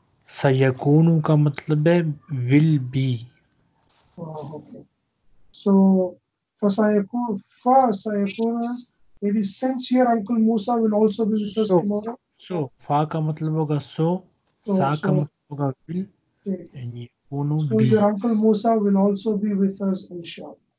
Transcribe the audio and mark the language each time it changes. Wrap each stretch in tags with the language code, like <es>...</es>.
<ur>سَيَكُونُ کا مطلب ہے</ur> <en>will be. So</en> <ar>فَسَيَكُونُ فَسَيَكُونُ</ar> <en>maybe since your uncle Musa will also be with us tomorrow.</en> <ur>So فَا کا مطلب ہوگا</ur> <en>so,</en> <ur>سَا کا مطلب ہوگا</ur> <en>will, and</en> <ur>يَكُونُ</ur> <en>be. So your uncle Musa will also be with us inshallah.</en>